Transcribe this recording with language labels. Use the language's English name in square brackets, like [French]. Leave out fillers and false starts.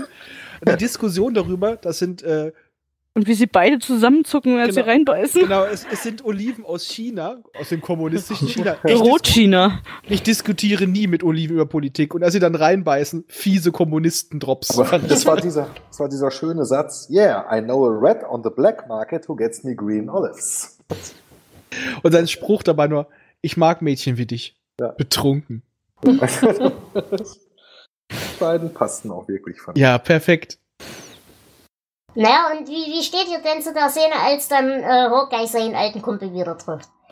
[German] Und die Diskussion darüber, das sind und wie sie beide zusammenzucken, als sie reinbeißen. Genau, es sind Oliven aus China, aus dem kommunistischen China. Rotchina. Ich diskutiere nie mit Oliven über Politik. Und als sie dann reinbeißen, fiese Kommunisten-Drops. Das war dieser schöne Satz. [English] Yeah, I know a rat on the black market who gets me green olives. [German] Und sein Spruch dabei nur, ich mag Mädchen wie dich. Ja. Betrunken. Die beiden passten auch wirklich von. Ja, perfekt. Naja, und wie steht ihr denn zu der Szene, als dann Hawkeye seinen alten Kumpel wieder trifft?